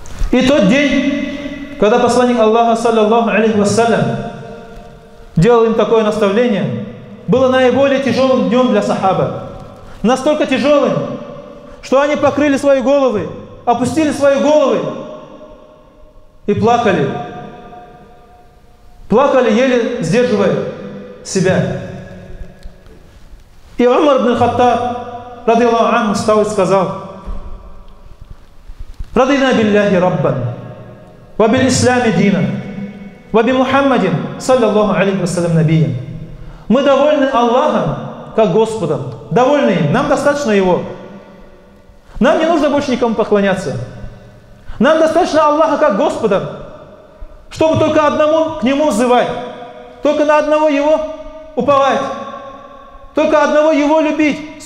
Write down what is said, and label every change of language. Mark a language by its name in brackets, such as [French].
[Russian] И тот день, когда посланник Аллаха, саллиллаху алейхи вассалям, делал им такое наставление, было наиболее тяжелым днем для сахаба. Настолько тяжелым, что они покрыли свои головы, опустили свои головы и плакали. Плакали, еле сдерживая себя. И Умар ибн Хаттаб, радиаллаху анху, встал и сказал, [Arabic] رضينا بالله ربا وبالإسلام دينا وبمحمد صلى الله عليه وسلم نبيا. [Russian] Мы довольны Аллахом как Господом, довольны им, нам достаточно Его, нам не нужно больше никому поклоняться, нам достаточно Аллаха как Господа, чтобы только одному к Нему взывать, только на одного Его уповать, только одного Его любить.